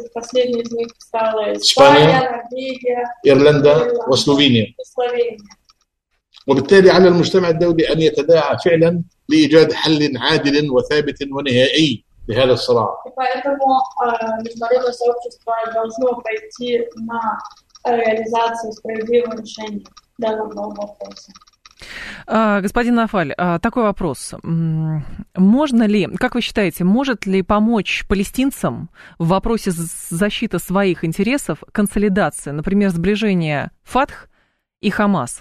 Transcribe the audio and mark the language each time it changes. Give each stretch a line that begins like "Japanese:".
Russian: Последней из них стала Испания, Норвегия, Ирландия и Словения.
Arabic: وبالتالي على المجتمع الدولي أن يتداعى فعلا لإيجاد حل عادل وثابت ونهائي لهذا الصراع.
Russian: поэтому международное сообщество должно пойти на реализацию справедливого решения данного вопроса. Господин Нафаль, такой вопрос. Можно ли, как вы считаете, может ли помочь палестинцам в вопросе защиты своих интересов консолидации, например, сближение ФАТХ и ХАМАС?